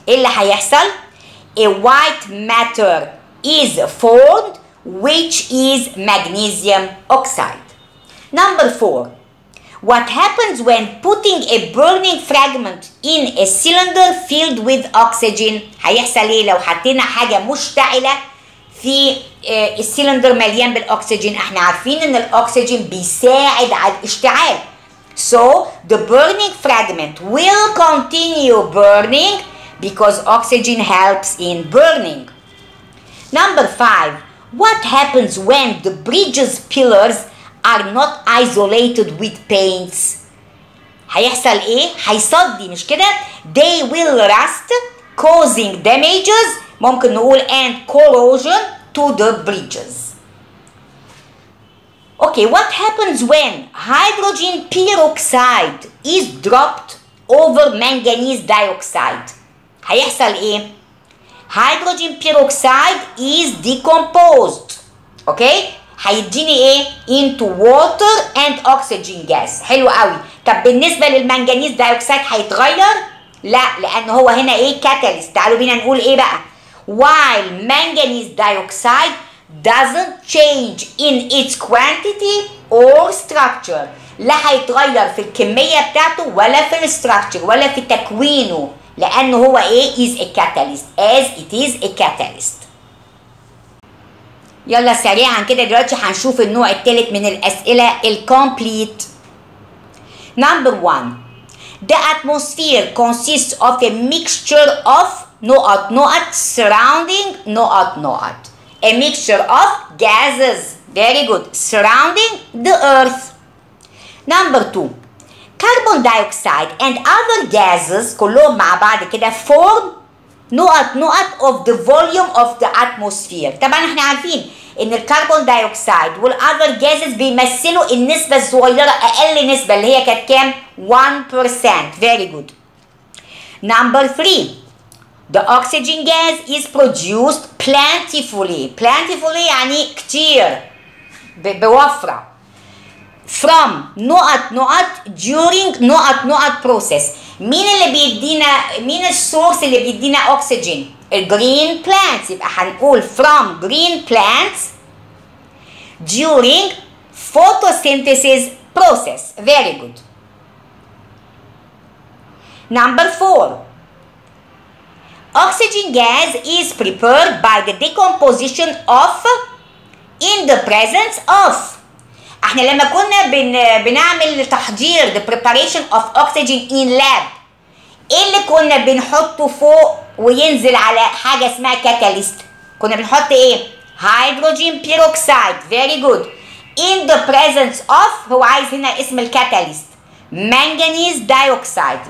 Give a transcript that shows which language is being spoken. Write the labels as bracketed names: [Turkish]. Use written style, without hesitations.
[Arabic] إيه اللي هيحصل؟ [English] A white matter is formed which is magnesium oxide. Number 4. What happens when putting a burning fragment in a cylinder filled with oxygen? [Arabic] هيحصل ايه لو حطينا حاجة مشتعلة في السيلندر مليان بالأكسجين؟ احنا عارفين ان الأكسجين بيساعد على الاشتعال. [English] So the burning fragment will continue burning because oxygen helps in burning. Number 5. What happens when the bridge's pillars are not isolated with paints? [Arabic] هيحصل ايه, هيصدي مش كده, [English] they will rust causing damages, [Arabic] ممكن نقول [English] and corrosion to the bridges. Okay, what happens when hydrogen peroxide is dropped over manganese dioxide? [Arabic] هيحصل ايه, [English] hydrogen peroxide is decomposed, okay, [Arabic] هيديني ايه, [English] into water and oxygen gas. [Arabic] حلو قوي. طب بالنسبة للمنجنيز دايوكسيد هيتغير؟ لا, لان هو هنا ايه, كاتاليست. تعالوا بينا نقول ايه بقى, [English] while manganese dioxide doesn't change in its quantity or structure, [Arabic] لا هيتغير في الكمية بتاعته ولا في الستركتشر ولا في تكوينه, لان هو ايه, [English] is a catalyst, as it is a catalyst. [Arabic] يلا سريعا كده دلوقتي هنشوف النوع التالت من الأسئلة, الكمبليت. [English] Number 1. The atmosphere consists of a mixture of NOAAD surrounding NOAAD. A mixture of gases. Very good. Surrounding the earth. Number 2. Carbon dioxide and other gases, [Arabic] كلهم مع بعض كده, [English] form NOAAD of the volume of the atmosphere. [Arabic] طبعا احنا عارفين ان الكربون دايوكسيد والاذر جازز بيمثلوا النسبه الصغيره اقل نسبه اللي هي كانت كام 1%. [English] very good. number 3 the oxygen gas is produced plentifully. plentifully [Arabic] يعني كتير بوفره. from نقط نقط during نقط نقط process. مين اللي بيدينا مين السورس اللي بيدينا اكسجين؟ الجرين بلانتس. يبقى هنقول [English] from green plants during photosynthesis process. very good. number 4 oxygen gas is prepared by the decomposition of in the presence of. [Arabic] احنا لما كنا بنعمل تحضير [English] the preparation of oxygen in lab [Arabic] ايه اللي كنا بنحطه فوق وينزل على حاجه اسمها كاتاليست؟ كنا بنحط ايه؟ هيدروجين بيروكسيد. [English] very good. in the presence of [Arabic] هو عايز هنا اسم الكاتاليست مانجانيز دايوكسيد.